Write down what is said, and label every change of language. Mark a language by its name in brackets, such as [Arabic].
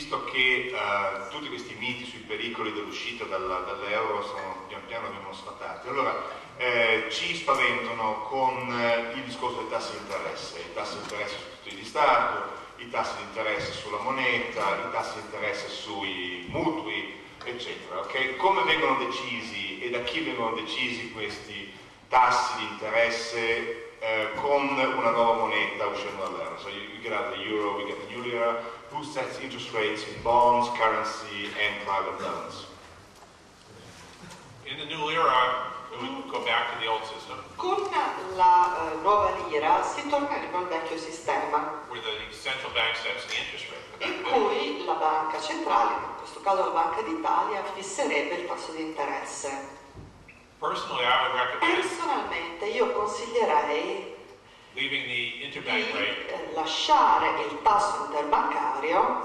[Italian] visto che tutti questi miti sui pericoli dell'uscita dall'euro sono pian piano vengono sfatati, allora ci spaventano con il discorso dei tassi di interesse, i tassi di interesse su tutti gli stati, i tassi di interesse sulla moneta, i tassi di interesse sui mutui, eccetera. Okay? Come vengono decisi e da chi vengono decisi questi tassi di interesse con una nuova moneta uscendo dall'euro? [English] So you get out the euro, we get the new lira. Who sets interest rates in bonds, currency and private loans? In the new lira, we go back to the old system. [Italian] Con la nuova lira si tornerebbe al vecchio sistema. [English] Where the central bank sets the interest rate. [Italian] In cui la banca centrale, in questo caso la Banca d'Italia, fisserebbe il tasso di interesse. [English] Personally, I would recommend [Italian] personalmente io consiglierei [English] leaving the interbank rate, [Italian] lasciare il tasso interbancario